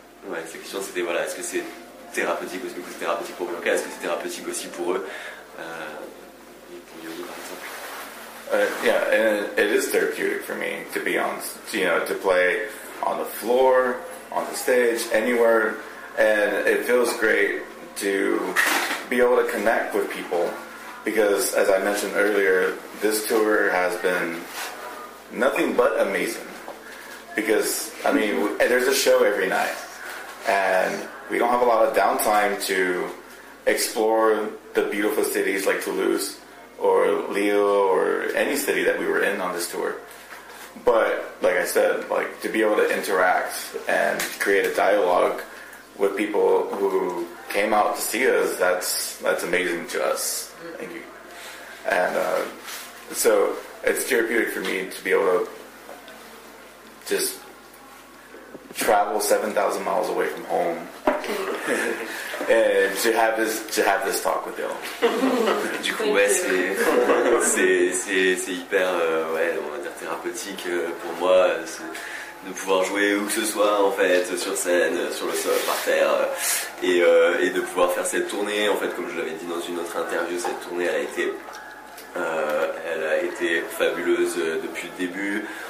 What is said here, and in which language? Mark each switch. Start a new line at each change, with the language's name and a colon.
French: La question c'était est-ce que c'est thérapeutique aussi, pour Bianca, est-ce que c'est thérapeutique aussi pour eux, pour Yoni par exemple.
English: It is therapeutic for me to be on, to play on the floor, on the stage, anywhere, and it feels great to be able to connect with people, because as I mentioned earlier, this tour has been nothing but amazing, because there's a show every night, and we don't have a lot of downtime to explore the beautiful cities like Toulouse, or Leo, or any city that we were in on this tour. But, like I said, to be able to interact and create a dialogue with people who came out to see us, that's amazing to us. Thank you. And so it's therapeutic for me to be able to just travel 7,000 miles away from home et to have this talk with you.
French: Du coup, c'est hyper thérapeutique pour moi de pouvoir jouer où que ce soit en fait, sur scène, sur le sol, par terre, et de pouvoir faire cette tournée en fait. Comme je l'avais dit dans une autre interview, cette tournée elle a été fabuleuse depuis le début.